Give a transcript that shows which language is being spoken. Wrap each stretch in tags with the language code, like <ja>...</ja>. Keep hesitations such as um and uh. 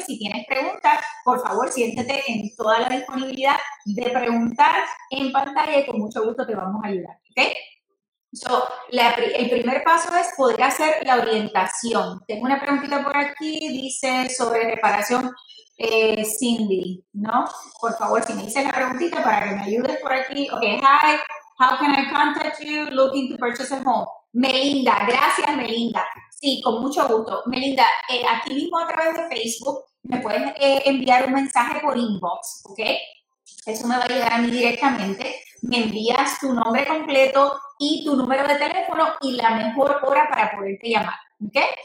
<es>Si tienes preguntas, por favor, siéntete en toda la disponibilidad de preguntar en pantalla y con mucho gusto te vamos a ayudar. ¿okay? So, la, el primer paso es poder hacer la orientación. Tengo una preguntita por aquí, dice sobre reparación. Eh, Cindy, ¿no? Por favor, si me dices la preguntita para que me ayudes por aquí.</es> <en>Ok, hi, how can I contact you looking to purchase a home?</en> <es>Melinda, gracias Melinda. Sí, con mucho gusto. Melinda, eh, aquí mismo a través de Facebook me puedes eh, enviar un mensaje por inbox, ¿ok? Eso me va a llegar a mí directamente. Me envías tu nombre completo y tu número de teléfono y la mejor hora para poderte llamar, ¿ok?</es>